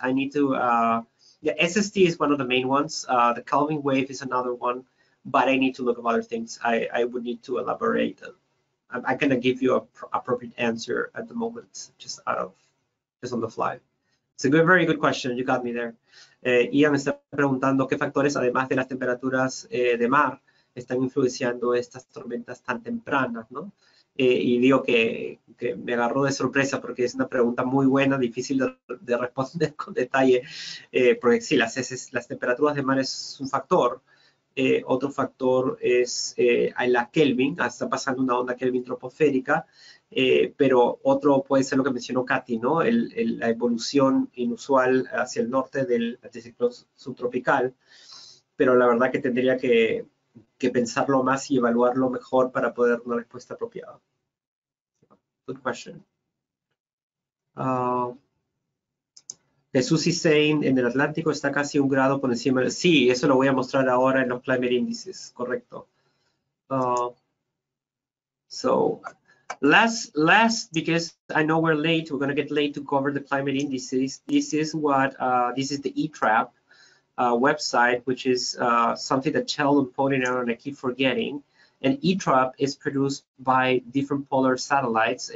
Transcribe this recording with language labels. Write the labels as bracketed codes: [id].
[en] I need to, SST is one of the main ones. The Kelvin wave is another one, but I need to look at other things. I would need to elaborate. I'm gonna give you an appropriate answer at the moment, just on the fly. It's a good, very good question. You got me there. [es] Ian está preguntando qué factores, además de las temperaturas de mar, están influenciando estas tormentas tan tempranas, ¿no? Y digo que me agarró de sorpresa porque es una pregunta muy buena, difícil de responder con detalle, porque sí, las temperaturas de mar es un factor. Otro factor es la Kelvin, está pasando una onda Kelvin troposférica, pero otro puede ser lo que mencionó Katy, ¿no? La evolución inusual hacia el norte del anticiclón subtropical, pero la verdad que tendría que pensarlo más y evaluarlo mejor para poder dar una respuesta apropiada. [en] Good question. [es] Jesús [en] is saying [es] en el Atlántico está casi un grado por encima. Sí, eso lo voy a mostrar ahora en los climate indices, correcto. [en] So last because I know we're late, we're going to get late to cover the climate indices. This is what this is the ETRAP website, which is something that Sheldon pointed out and I keep forgetting. And ETRAP is produced by different polar satellites.